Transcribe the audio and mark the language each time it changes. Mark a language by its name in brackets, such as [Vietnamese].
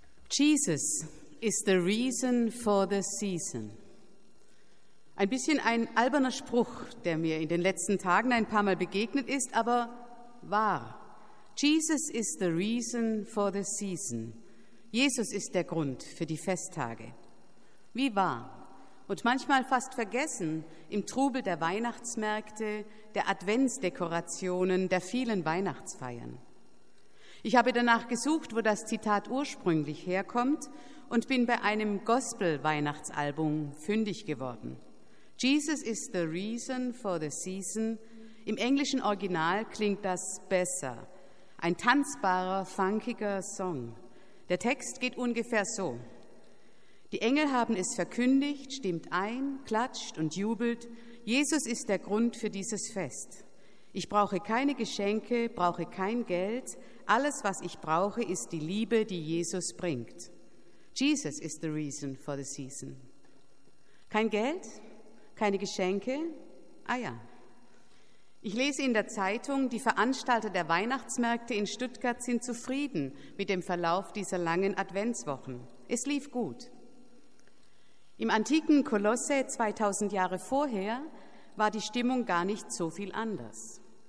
[English] Jesus is the reason for the season. [German] Ein bisschen ein alberner Spruch, der mir in den letzten Tagen ein paar Mal begegnet ist, aber wahr. [English] Jesus is the reason for the season. [German] Jesus ist der Grund für die Festtage. Wie wahr. Und manchmal fast vergessen im Trubel der Weihnachtsmärkte, der Adventsdekorationen, der vielen Weihnachtsfeiern. Ich habe danach gesucht, wo das Zitat ursprünglich herkommt und bin bei einem Gospel-Weihnachtsalbum fündig geworden. [English] Jesus is the reason for the season. [German] Im englischen Original klingt das besser. Ein tanzbarer, funkiger Song. Der Text geht ungefähr so. Die Engel haben es verkündigt, stimmt ein, klatscht und jubelt. Jesus ist der Grund für dieses Fest. Ich brauche keine Geschenke, brauche kein Geld. Alles, was ich brauche, ist die Liebe, die Jesus bringt. [English] Jesus is the reason for the season. [German] Kein Geld? Keine Geschenke? Ah ja. Ich lese in der Zeitung, die Veranstalter der Weihnachtsmärkte in Stuttgart sind zufrieden mit dem Verlauf dieser langen Adventswochen. Es lief gut. Im antiken Kolosse 2000 Jahre vorher war die Stimmung gar nicht so viel anders.